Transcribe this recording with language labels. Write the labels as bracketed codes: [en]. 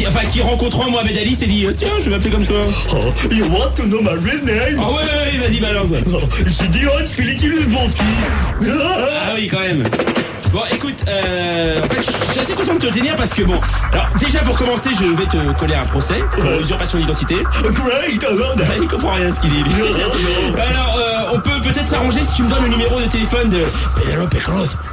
[fr] Qui rencontre moi Mohamed Ali s'est dit tiens, je vais m'appeler comme toi. [en] Oh, you want to know my real name? [fr] Oh ouais, vas-y, balance. J'ai dit oh, je suis l'équipe de Bonski. Ah oui, quand même. Bon, écoute, en fait, je suis assez content de te tenir parce que bon, alors déjà pour commencer, je vais te coller un procès pour usurpation d'identité. Great, alors. Bah, il comprend rien ce qu'il dit. Alors, on peut peut-être s'arranger si tu me donnes le numéro de téléphone de Penelope Cruz.